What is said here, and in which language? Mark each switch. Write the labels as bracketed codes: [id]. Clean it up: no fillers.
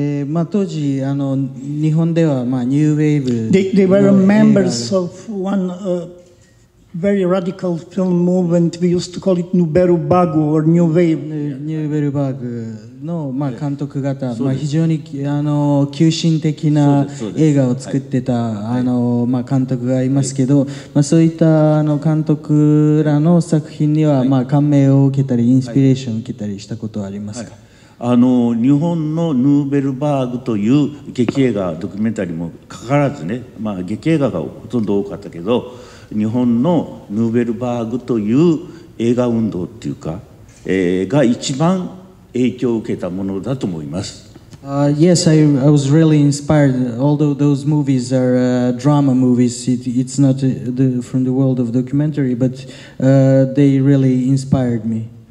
[ja] まあ、当時あの日本では、まあ、ニューウェーブ。 [en] They were members of one very radical film movement. We used to call it Nobuo Bago or New Wave. Nobuo Bago. [ja] のまあ監督方、まあ、非常にあの急進的な映画を作ってた、はい、あのまあ監督がいますけど、はい、まあ、そういったあの監督らの作品にはまあ感銘を受けたり、インスピレーションを受けたりしたことはありますか？はい、あの日本のヌーベルバーグという劇映画ドキュメンタリーもかかわらずね、まあ、劇映画がほとんど多かったけど、日本のヌーベルバーグという映画運動っていうか、が一番影響を受けたものだと思います。 [en] Yes, I was really inspired. Although those movies are drama movies, it's not from the world of documentary, but they really inspired me.